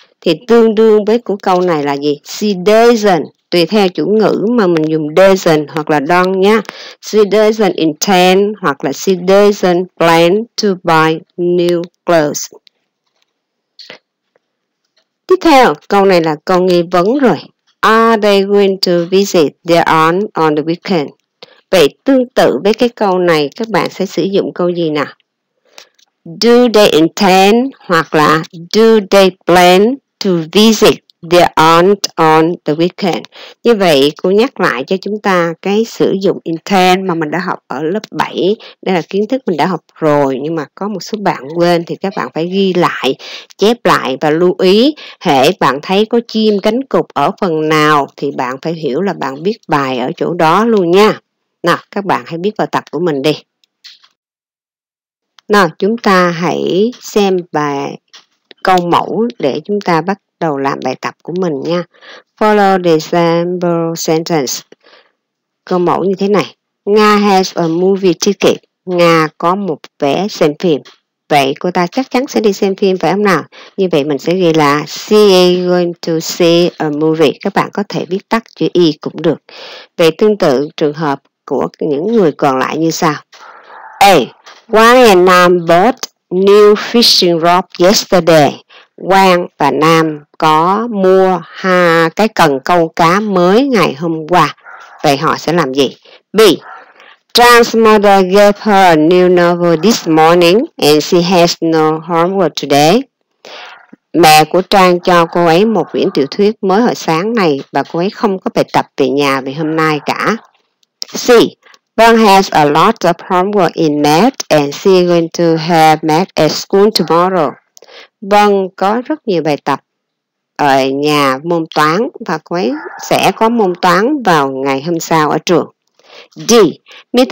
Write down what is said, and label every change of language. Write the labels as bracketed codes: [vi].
[vi] Thì tương đương với của câu này là gì? [en] She doesn't, [vi] tùy theo chủ ngữ mà mình dùng doesn't hoặc là don't nha. [en] She doesn't intend [vi] hoặc là [en] she doesn't plan to buy new clothes. [vi] Tiếp theo, câu này là câu nghi vấn rồi. [en] Are they going to visit their aunt on the weekend? [vi] Vậy tương tự với cái câu này các bạn sẽ sử dụng câu gì nào? [en] Do they intend [vi] hoặc là [en] do they plan to visit their aunt on the weekend? [vi] Như vậy cô nhắc lại cho chúng ta cái sử dụng intend mà mình đã học ở lớp 7. Đây là kiến thức mình đã học rồi, nhưng mà có một số bạn quên thì các bạn phải ghi lại, chép lại và lưu ý. Hễ bạn thấy có chim cánh cụt ở phần nào thì bạn phải hiểu là bạn viết bài ở chỗ đó luôn nha. Nào các bạn hãy viết vào tập của mình đi. Nào chúng ta hãy xem bài câu mẫu để chúng ta bắt đầu làm bài tập của mình nha. [en] Follow the sample sentence. [vi] Câu mẫu như thế này. [en] Nga has a movie ticket. [vi] Nga có một vé xem phim. Vậy cô ta chắc chắn sẽ đi xem phim phải không nào? Như vậy mình sẽ ghi là [en] she is going to see a movie. [vi] Các bạn có thể viết tắt chữ y cũng được. Vậy tương tự trường hợp của những người còn lại như sau. A. [en] Wang and Nam bought new fishing rod yesterday. [vi] Wang và Nam có mua cái cần câu cá mới ngày hôm qua. Vậy họ sẽ làm gì? B. B. [en] John's mother gave her a new novel this morning and she has no homework today. [vi] Mẹ của Trang cho cô ấy một quyển tiểu thuyết mới hồi sáng này và cô ấy không có bài tập về nhà về hôm nay cả. C. [en] Ben has a lot of homework in math and she's going to have math at school tomorrow. [vi] Ben có rất nhiều bài tập ở nhà môn toán và cô ấy sẽ có môn toán vào ngày hôm sau ở trường. D. Mr.